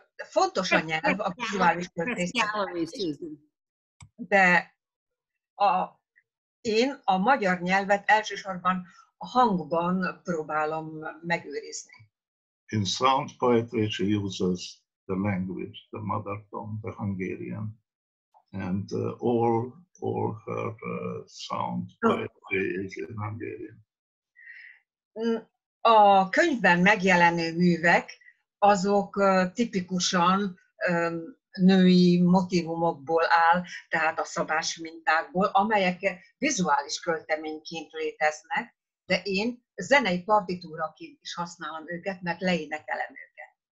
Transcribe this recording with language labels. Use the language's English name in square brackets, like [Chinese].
[Hungarian] Fontos a nyelv a vizuális költészetben. De én a magyar nyelvet elsősorban a hangban próbálom megőrizni. [English] In sound poetry she uses the language, the mother tongue, the Hungarian, and all her sound poetry is in Hungarian. [Hungarian] A könyvben megjelenő művek azok tipikusan női motivumokból áll, tehát a szabás mintákból, amelyek vizuális költeményként léteznek, de én zenei partitúraként is használom őket, mert leénekelem őket.